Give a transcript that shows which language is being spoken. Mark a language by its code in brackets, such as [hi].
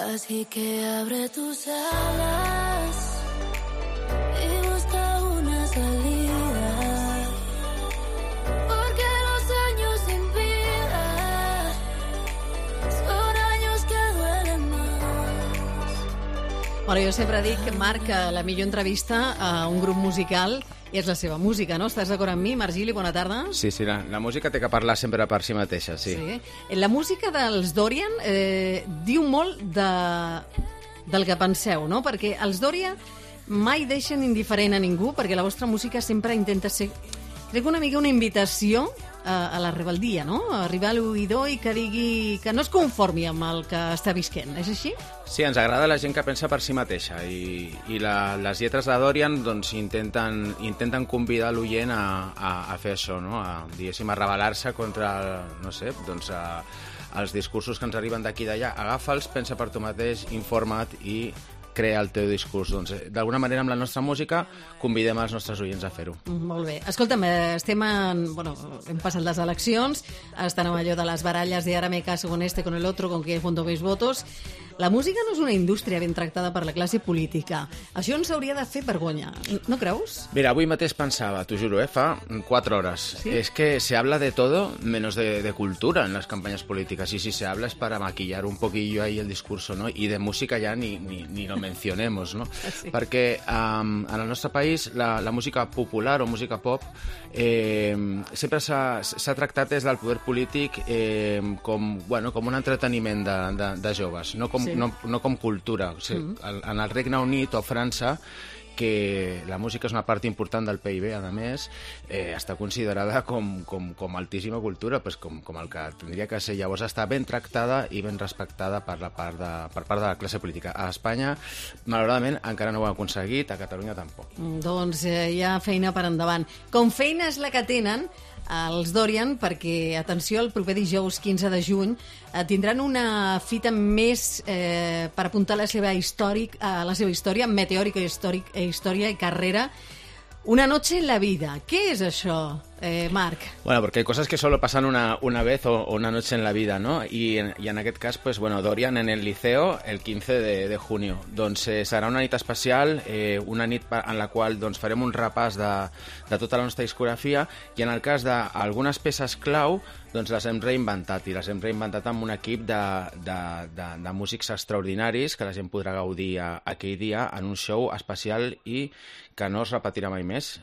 [es] Así que abre tus alas y busca una salida, porque los años sin vida son años que duelen más. [ca] Bueno, yo siempre digo que marca la millor entrevista a un grupo musical. I és la seva música, no? Estàs d'acord amb mi, Margili? Bona tarda. Sí, sí, la música té que parlar sempre per si mateixa, sí. La música dels Dorian diu molt del que penseu, no? Perquè els Dorian mai deixen indiferent a ningú, perquè la vostra música sempre intenta ser, crec, una mica una invitació a la rebeldia, no? A arribar a l'oïdor i que digui que no es conformi amb el que està visquent, és així? Sí, ens agrada la gent que pensa per si mateixa i les lletres de Dorian doncs intenten convidar l'oient a fer això, no? A, diguéssim, a rebel·lar-se contra, no sé, doncs els discursos que ens arriben d'aquí i d'allà. Agafa'ls, pensa per tu mateix, informa't i crea el teu discurs. Doncs, d'alguna manera, amb la nostra música, convidem els nostres oients a fer-ho. Molt bé. Escolta'm, estem en... [es] Bueno, [ca] hem passat les eleccions, estan amb allò de les baralles de [es] ara me caso con este, con el otro, con que fundo mis votos. [ca] La música no és una indústria ben tractada per la classe política. Això ens hauria de fer vergonya, no creus? Mira, avui mateix pensava, t'ho juro, fa 4 hores. Sí? [es] És que se habla de todo menos de cultura [ca] en les campanyes polítiques. [es] I si se habla es para maquillar un poquillo ahí el discurso, no? [ca] I de música ja [es] ni lo mencionemos, [ca] no? Sí. Perquè en el nostre país la música popular o música pop sempre s'ha tractat des del poder polític com, bueno, com un entreteniment de joves, no com, sí, no com cultura. O sigui, en el Regne Unit o França, que la música és una part important del PIB, a més, està considerada com altíssima cultura, pues com el que tindria que ser. Llavors està ben tractada i ben respectada per part de la classe política. A Espanya, malauradament, encara no ho ha aconseguit, a Catalunya tampoc. Doncs hi ha feina per endavant. Com feina és la que tenen els Dorian, perquè, atenció, el proper dijous 15 de juny tindran una fita més per apuntar la seva història, meteòrica, història i carrera. [es] Una noche en la vida. [ca] Què és això, [es] Marc? Bueno, porque hay cosas que solo pasan una vez o una noche en la vida, ¿no? Y [ca] en aquest cas, [es] pues bueno, Dorian en el Liceo el 15 de junio. [ca] Doncs serà una nit especial, una nit en la qual doncs farem un repàs de tota la nostra discografia i en el cas d'algunes peces clau doncs les hem reinventat i les hem reinventat amb un equip de músics extraordinaris que la gent podrà gaudir aquell dia en un show especial i que no es repetirà mai més.